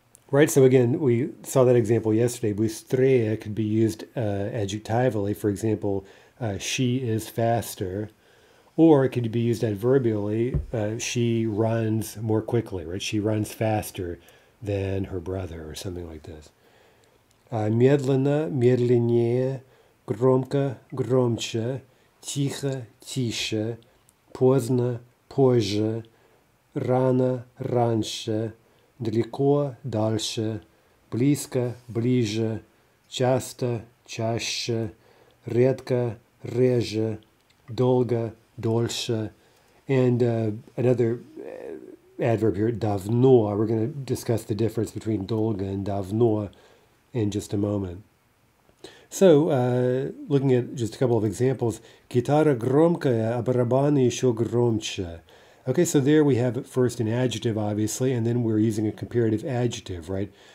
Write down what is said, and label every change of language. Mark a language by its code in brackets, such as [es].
[en] Right, so again, we saw that example yesterday. Быстрее could be used adjectivally. For example, she is faster. Or it could be used adverbially, she runs more quickly, right? She runs faster than her brother or something like this. [ru] Медленно, медленнее, громко, громче, тихо, тише, поздно, позже, рано, раньше, далеко, дальше, близко, ближе, часто, чаще, редко, реже, долго, дольше, [en] and another adverb here, [ru] давно. [en] We're going to discuss the difference between долго and давно in just a moment. So, looking at just a couple of examples, [ru] гитара громкая, а барабаны еще громче. [en] Okay, so there we have first an adjective, obviously, and then we're using a comparative adjective, right?